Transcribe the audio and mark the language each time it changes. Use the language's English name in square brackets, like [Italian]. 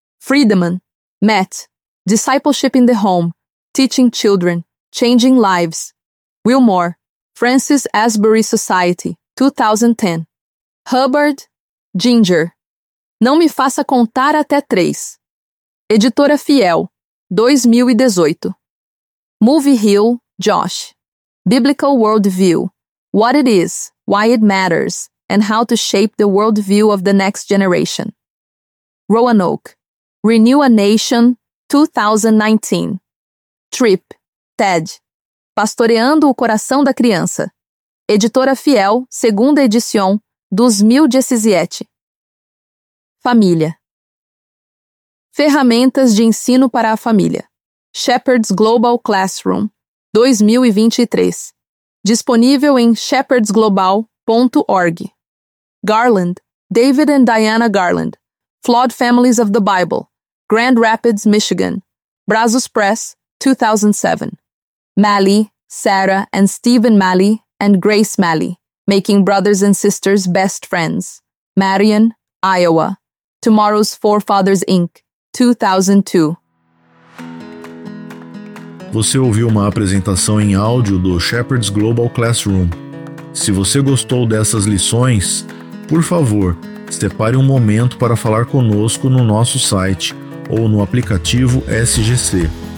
[English] Friedman, Matt, Discipleship in the Home, Teaching Children, Changing Lives. Wilmore, Francis Asbury Society, 2010. [Portuguese] Hubbard, Ginger, Não Me Faça Contar Até Três. Editora Fiel, 2018. [English] Movie Hill, Josh, Biblical Worldview, What It Is, Why It Matters, and How to Shape the Worldview of the Next Generation. Roanoke, Renew a Nation, 2019. [Portuguese] Tripp, Ted, Pastoreando o Coração da Criança. Editora Fiel, 2ª edição, 2017. Família. Ferramentas de Ensino para a Família. [English] Shepherd's Global Classroom, 2023. [Portuguese] Disponível em shepherdsglobal.org. [English] Garland, David and Diana Garland. Flawed Families of the Bible. Grand Rapids, Michigan. Brazos Press, 2007. Mally, Sarah and Stephen Mally and Grace Mally. Making Brothers and Sisters Best Friends. Marion, Iowa. Tomorrow's Forefathers, Inc., 2002. [Portuguese] Você ouviu uma apresentação em áudio do Shepherd's Global Classroom. Se você gostou dessas lições, por favor, separe um momento para falar conosco no nosso site ou no aplicativo SGC.